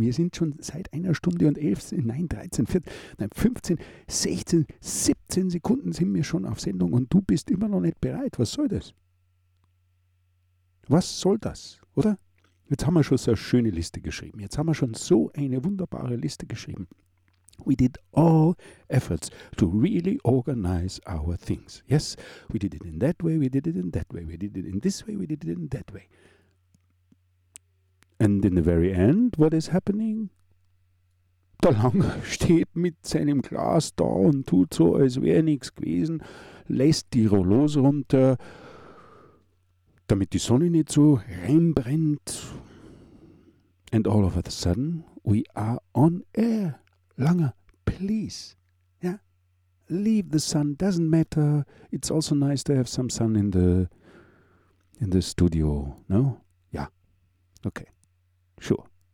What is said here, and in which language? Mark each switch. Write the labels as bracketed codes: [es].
[de] Wir sind schon seit einer Stunde und 11, nein, 13, 14, nein, 15, 16, 17 Sekunden sind wir schon auf Sendung und du bist immer noch nicht bereit. Was soll das? Was soll das? Oder? Jetzt haben wir schon so eine schöne Liste geschrieben. Jetzt haben wir schon so eine wunderbare Liste geschrieben. [en] We did all efforts to really organize our things. Yes, we did it in that way, we did it in that way, we did it in this way, we did it in that way. And in the very end, what is happening? [de] Der Lange steht mit seinem Glas da und tut so, als wäre nichts gewesen, lässt die Rollos runter, damit die Sonne nicht so reinbrennt. [en] And all of a sudden, we are on air. Lange, please. Yeah? Leave the sun, doesn't matter. It's also nice to have some sun in the studio, no? Yeah. Okay. Sure.